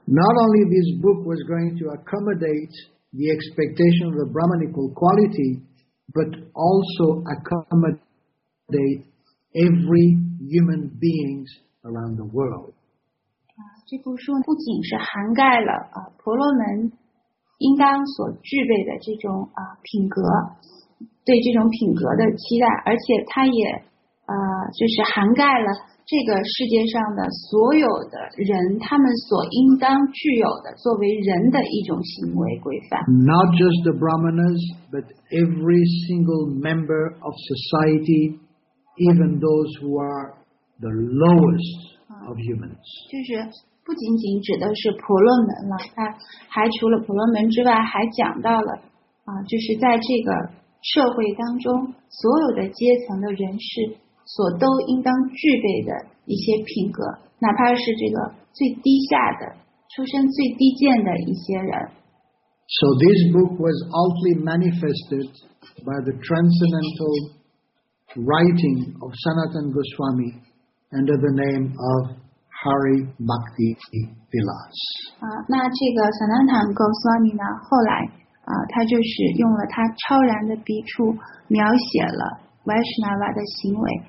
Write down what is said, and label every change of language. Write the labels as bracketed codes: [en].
[en] Not only this book was going to accommodate the expectation of the Brahmanical quality, but also accommodate every human beings around the world. [zh] 啊，这部书不仅是涵盖了啊婆罗门。应当所具备的这种啊品格，对这种品格的期待，而且它也就是涵盖了这个世界上的所有的人，他们所应当具有的作为人的一种行为规范。 [en] Not just the brahmanas, but every single member of society, even those who are the lowest of humans. [zh] 就是。不仅仅指的是婆罗门了，它还除了婆罗门之外，还讲到了啊，就是在这个社会当中，所有的阶层的人士所都应当具备的一些品格，哪怕是这个最低下的、出身最低贱的一些人。 [en] So this book was outwardly manifested by the transcendental writing of Sanatan Goswami under the name of. Hari Bhakti Vilas. [zh] 啊，那这个 Sanatan Goswami 呢？后来啊，他就是用了他超然的笔触描写了 Vaishnava 的行为。